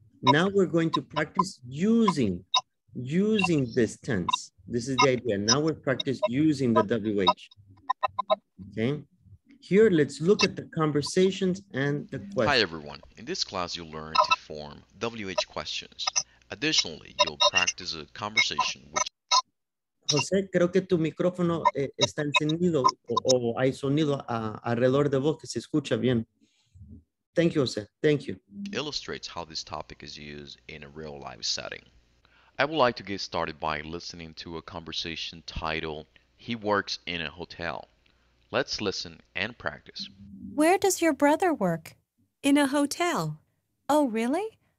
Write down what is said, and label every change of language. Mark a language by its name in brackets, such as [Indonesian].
[English] Now we're going to practice using this tense. This is the idea. Now we're practicing using the WH. Okay. Here, let's look at the conversations and the questions. Hi, everyone. In this class, you'll learn to form WH questions. Additionally, you'll practice a conversation which... [Spanish] Jose, creo que tu micrófono está encendido o hay sonido alrededor de vos que se escucha bien. [English] Thank you, Jose. Thank you. Illustrates how this topic is used in a real life setting. I would like to get started by listening to a conversation titled, He Works in a Hotel. Let's listen and practice. Where does your brother work? In a hotel. Oh, really?